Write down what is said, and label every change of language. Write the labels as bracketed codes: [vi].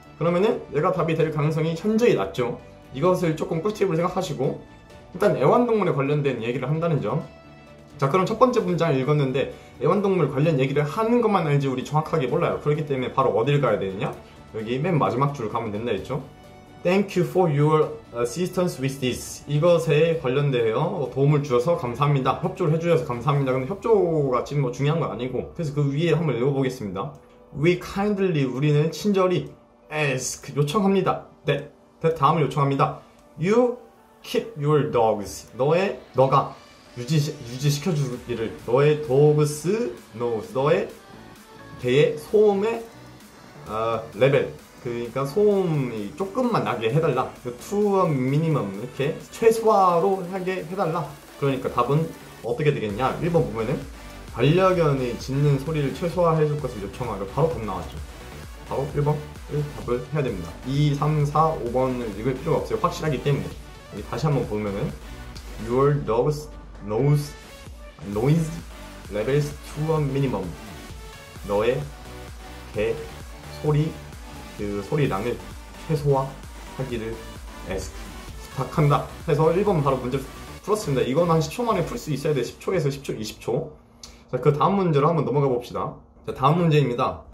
[ko] 그러면은 얘가 답이 될 가능성이 현저히 낮죠. 이것을 조금 꿀팁을 생각하시고 일단 애완동물에 관련된 얘기를 한다는 점 자, 그럼 첫 번째 문장을 읽었는데 애완동물 관련 얘기를 하는 것만 알지 우리 정확하게 몰라요. 그렇기 때문에 바로 어딜 가야 되느냐? 여기 맨 마지막 줄 가면 된다 했죠. [en] Thank you for your assistance with this. [ko] 이것에 관련되어 도움을 주셔서 감사합니다. 협조를 해주셔서 감사합니다. 근데 협조가 지금 뭐 중요한 건 아니고, 그래서 그 위에 한번 읽어보겠습니다. [en] We kindly, [ko] 우리는 친절히 ask, 요청합니다. That 다음을 요청합니다. [en] You keep your dogs. [ko] 너가 유지시켜주기를. 너의 dogs, knows. 너의 개의 소음의 레벨. 그러니까 소음이 조금만 나게 해달라. [en] To a minimum. [ko] 이렇게 최소화로 하게 해달라. 그러니까 답은 어떻게 되겠냐. 1번 보면은 반려견이 짖는 소리를 최소화해줄 것을 요청하고 바로 답 나왔죠. 바로 1번을 답을 해야 됩니다. 2, 3, 4, 5번을 읽을 필요가 없어요. 확실하기 때문에. 여기 다시 한번 보면은 [en] Your dog's nose noise levels to a minimum. [ko] 너의 개 소리 그 소리랑을 최소화하기를 ask 부탁한다 해서 1번 바로 문제 풀었습니다. 이건 한 10초 만에 풀 수 있어야 돼. 10초에서 10초, 20초. 자, 그 다음 문제로 한번 넘어가 봅시다. 자, 다음 문제입니다.